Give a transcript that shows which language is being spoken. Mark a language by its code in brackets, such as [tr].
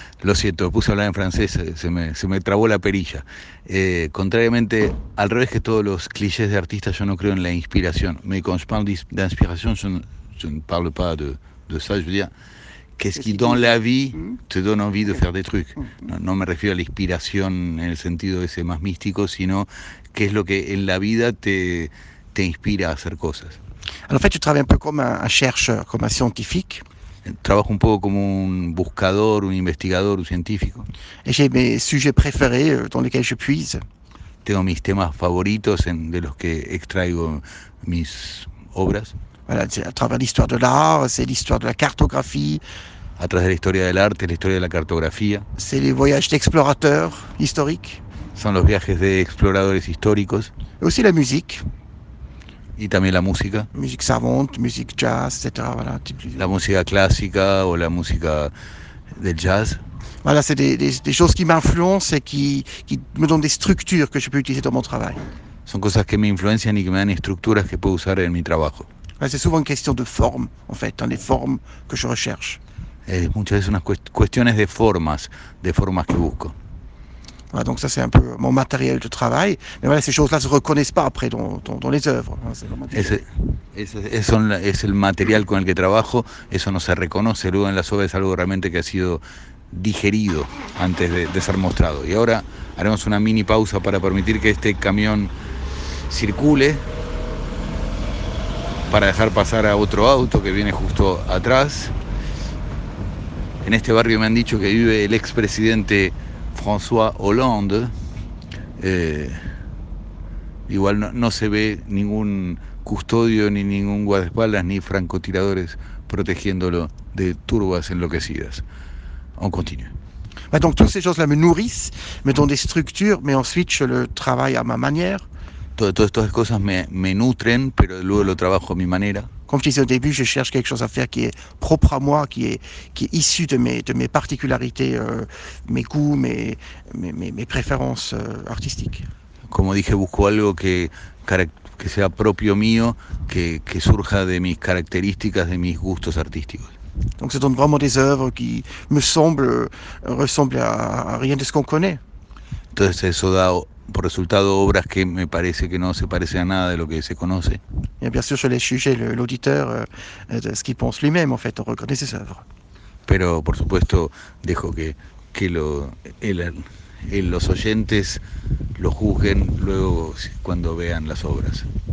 [es] Lo siento, puse a hablar en francés, se me trabó la perilla. Contrariamente, al revés que todos los clichés de artistas, yo no creo en la inspiración. [fr] Mais quand je parle d'inspiration, je ne parle pas de ça, je veux dire. Qu'est-ce qui, dans la vie, te donne envie de faire des trucs? [es] No me refiero a la inspiración en el sentido ese más místico, sino qué es lo que en la vida te inspira a hacer cosas. [fr] En fait, je travaille un peu comme un chercheur, comme un scientifique. [es] Trabajo un poco como un buscador, un investigador, un científico. [fr] Et j'ai mes sujets préférés dans lesquels je puise. [es] Tengo mis temas favoritos de los que extraigo mis obras. [fr] Voilà, à travers l'histoire de l'art, c'est l'histoire de la cartographie. À travers l'histoire de l'art, c'est l'histoire de la cartographie. C'est les voyages d'explorateurs historiques. [es] Son los viajes de exploradores históricos. [fr] Et aussi la musique. [es] Y también la música. [fr] Musique savante, musique jazz, etc. Voilà. [es] La música clásica o la música del jazz. [fr] Voilà, c'est des choses qui m'influencent et qui me donnent des structures que je peux utiliser dans mon travail. [es] Son cosas que me influencian y que me dan estructuras que puedo usar en mi trabajo. [fr] C'est souvent une question de forme, en fait, dans les formes que je recherche. [es] Et muchas veces unas cuestiones de formas que busco. [fr] Voilà, donc ça c'est un peu mon matériel de travail. Mais voilà, ces choses-là se reconnaissent pas après dans les œuvres. [es] Es el material con el que trabajo, eso no se reconoce. Luego en las obras es algo realmente que ha sido digerido antes de ser mostrado. Y ahora haremos una mini pausa para permitir que este camión circule, para dejar pasar a otro auto que viene justo atrás. En este barrio me han dicho que vive el expresidente François Hollande. Igual no se ve ningún custodio, ni ningún guardaespaldas, ni francotiradores protegiéndolo de turbas enloquecidas. [fr] On continue. Bah donc, toutes ces choses-là me nourrissent, me donnent des structures, mais ensuite je le travaille à ma manière. [es] Todas estas cosas me nutren, pero luego lo trabajo a mi manera. Como te decía al principio, yo cerco algo a hacer que es propio a mí, que es [fr] issu [es] de mis particularidades, mis gustos, mis preferencias artísticas. Como dije, busco algo que sea propio mío, que surja de mis características, de mis gustos artísticos. Entonces, se dan realmente [fr] des œuvres [es] que me semblan, [fr] ressemblan a rien [es] de lo que conocemos. Entonces, eso da por resultado obras que me parece que no se parecen a nada de lo que se conoce. [fr] Y bien sûr, je laisse juger l'auditeur de ce qu'il pense lui-même, en fait, en reconnaissant ses œuvres. [es] Pero, por supuesto, dejo que los oyentes lo juzguen luego cuando vean las obras.